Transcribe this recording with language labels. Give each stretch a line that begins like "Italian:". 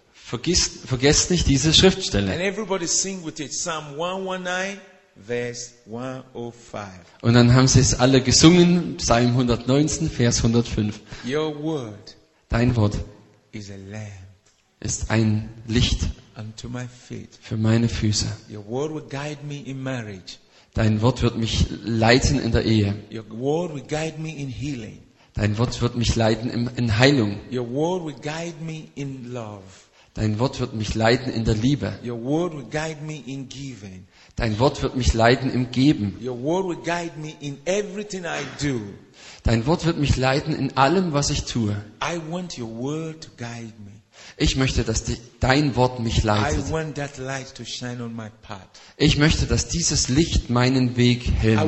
German: Vergesst nicht diese Schriftstelle.
English: And everybody sing with it, Psalm 119, verse 105.
German: Und dann haben sie es alle gesungen, Psalm 119, Vers 105.
English: Your word,
German: dein Wort,
English: is a lamp,
German: ist ein Licht,
English: unto my feet,
German: für meine Füße.
English: Your word will guide me in marriage.
German: Dein Wort wird mich leiten in der Ehe.
English: Your word will guide me in healing.
German: Dein Wort wird mich leiten in Heilung.
English: Your word will guide me in love.
German: Dein Wort wird mich leiten in der Liebe.
English: Your word will guide me in giving.
German: Dein Wort wird mich leiten im Geben.
English: Your word will guide me in everything I do.
German: Dein Wort wird mich leiten in allem, was ich tue.
English: I want your word to guide me.
German: Ich möchte, dass dein Wort mich leitet.
English: I want that light to shine on my path.
German: Ich möchte, dass dieses Licht meinen Weg hell macht.